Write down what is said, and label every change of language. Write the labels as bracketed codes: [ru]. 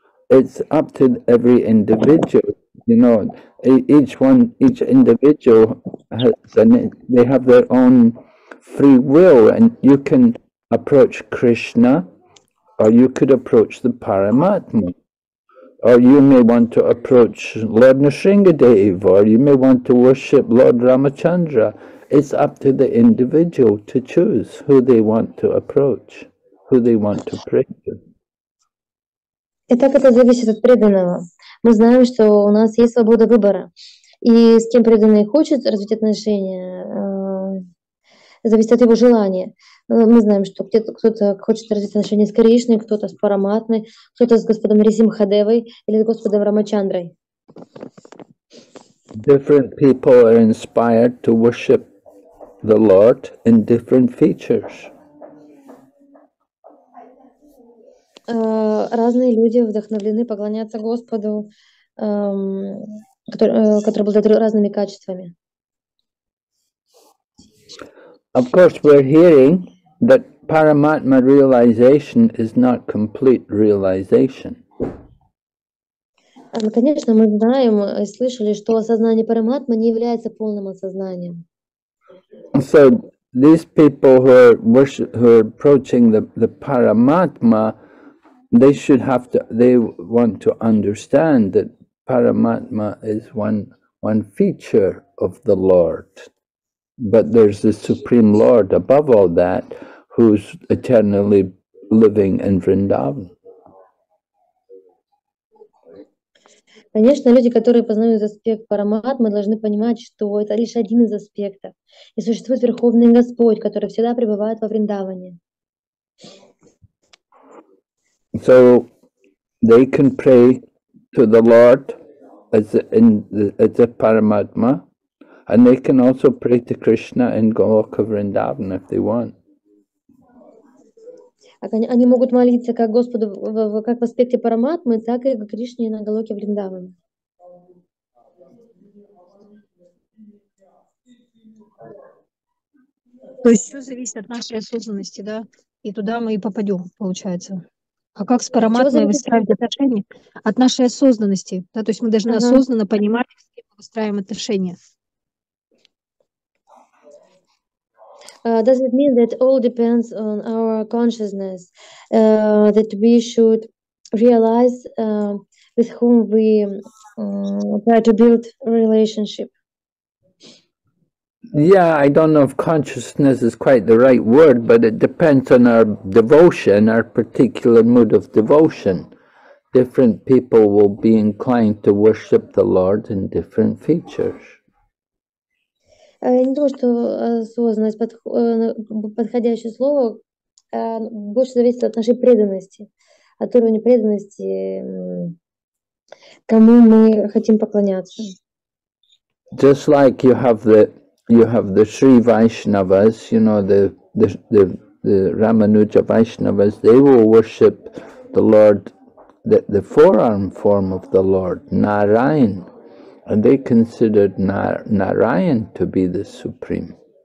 [en] It's up to every individual. You know, each individual has they have their own free will, and you can approach Krishna, or you could approach the Paramatma, or you may want to approach Lord Nrsingadev, or you may want to worship Lord Ramachandra. It's up to the individual to choose who they want to approach, who they want to pray to. [ru] Итак, это зависит от преданного. Мы знаем, что у нас есть свобода выбора. И с кем преданный хочет развить отношения, зависит от его желания. Мы знаем, что кто-то хочет развить отношения с Кришной, кто-то с Параматмой, кто-то с господом Нрсимхадевой или с господом Рамачандрой. [en] Different people are inspired to worship the Lord in different features. [ru] Разные люди вдохновлены поклоняться Господу, который обладает разными качествами. [en] Of course, we're hearing that Paramatma realization is not complete realization. [ru] Конечно, мы знаем и слышали, что осознание Параматмы не является полным осознанием. [en] So these people who are approaching the Paramatma, they want to understand that Paramatma is one feature of the Lord, but there's the Supreme Lord above all that, who's eternally living in Vrindavan. [ru] Конечно, люди, которые познают аспект Параматмы, должны понимать, что это лишь один из аспектов. И существует Верховный Господь, который всегда пребывает во Вриндаване. [en] So they can pray to the Lord as a Paramatma, and they can also pray to Krishna in Goloka Vrindavan if they want. [ru] Они могут молиться как Господу как в аспекте Параматмы, так и Кришне на Голоке Вриндаване. То есть все зависит от нашей осознанности, да? И туда мы и попадем, получается. А как с Параматмой выстраивать отношения? От нашей осознанности, да? То есть мы должны осознанно понимать, с кем мы выстраиваем отношения. [en] Does it mean that all depends on our consciousness, that we should realize with whom we try to build a relationship? Yeah, I don't know if consciousness is quite the right word, but it depends on our devotion, our particular mood of devotion. Different people will be inclined to worship the Lord in different features. [ru] Не то, что осознанность, подходящее слово, больше зависит от нашей преданности, от уровня преданности, кому мы хотим поклоняться. [en] Just like you have the Sri Vaishnavas, you know, the Ramanuja Vaishnavas, they will worship the Lord, the forearm form of the Lord, Narayan. And they considered Narayan to be the supreme.